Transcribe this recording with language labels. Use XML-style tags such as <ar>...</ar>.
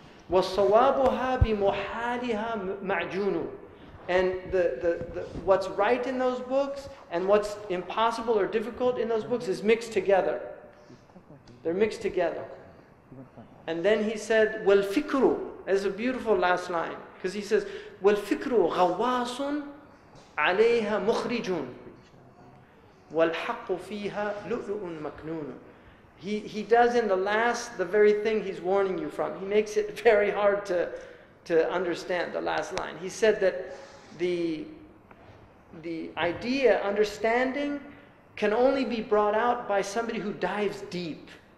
<ar>وَالصَّوَابُهَا بِمُحَالِهَا مَعْجُونُ.</ar> <en>And the what's right in those books and what's impossible or difficult in those books is mixed together. They're mixed together. And then he said, وَالْفِكْرُ. That's a beautiful last line. Because he says,</en> <ar>وَالْفِكْرُ غَوَّاسٌ عَلَيْهَا مُخْرِجٌ وَالْحَقُّ فِيهَا لُؤْلُؤٌ مَكْنُونٌ.</ar> <en>He does in the last the very thing he's warning you from. He makes it very hard to understand the last line. He said that the idea, understanding, can only be brought out by somebody who dives deep.</en>